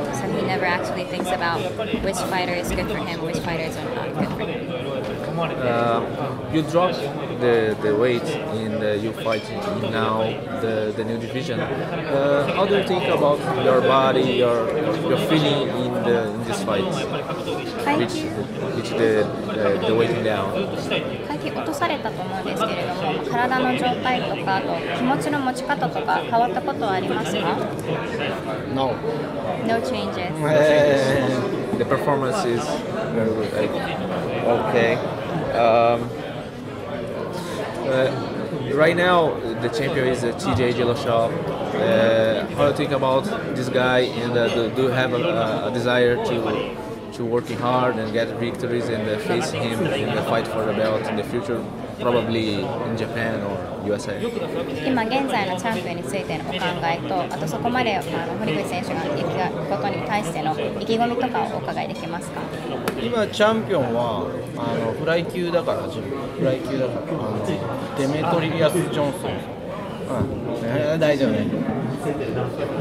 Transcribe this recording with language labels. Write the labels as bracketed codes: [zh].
[en] So he never actually thinks about which fighter is good for him, which fighters are not good for him. You dropped the weight in you fighting now the new division. How do you think about your body, your feeling in this fight? Which the weighing down? [ja] 落とされたと思うんですけれども、体の状態とか、あと気持ちの持ち方とか変わったことはありますか？ [en] No. No changes. The performance is very good. Okay. Right now, the champion is TJ Dillashaw. How do you think about this guy, and do you have a desire to work hard and get victories and face him in the fight for the belt in the future, probably in Japan or USA? [ja] 今現在のチャンピオンについてのお考えと、あとそこまで堀口選手が行くことに対しての意気込みとかをお伺いできますか？今チャンピオンはフライ級だから、デメトリアス・ジョンソン、大丈夫ね。